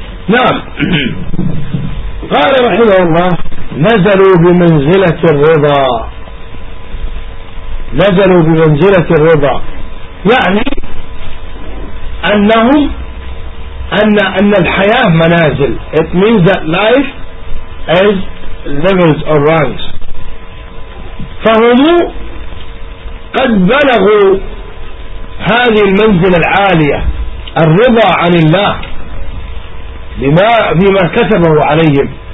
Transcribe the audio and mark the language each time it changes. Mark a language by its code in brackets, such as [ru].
[ar] Now, قال رحمه الله نزلوا بمنزلة الرضا. نزلوا بمنزلة الرضا يعني أنهم أن الحياة منازل. [en] It means that life is levels or ranks. [ar] فهم قد بلغوا هذه المنزلة العالية الرضا عن الله بما كتبه عليهم.